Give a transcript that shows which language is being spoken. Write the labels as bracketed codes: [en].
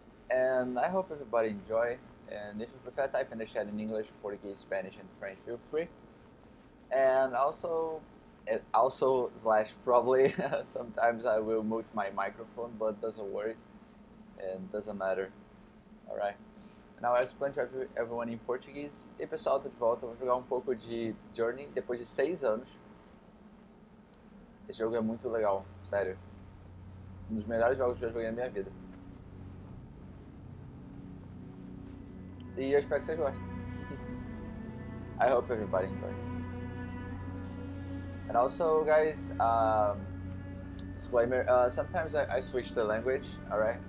[en] And I hope everybody enjoy. And if you prefer, type in the chat in English, Portuguese, Spanish, and French. Feel free. And also slash probably sometimes I will mute my microphone, but doesn't worry, and doesn't mater. All right. Now I explain to everyone in Portuguese. [pt] E pessoal, tô de volta. Vou jogar um pouco de Journey depois de 6 anos. Esse jogo é muito legal, sério. Um dos melhores jogos que eu já joguei na minha vida. E eu espero que vocês gostem. [en] I hope everybody enjoy. And also, guys, disclaimer, sometimes I switch the language, alright?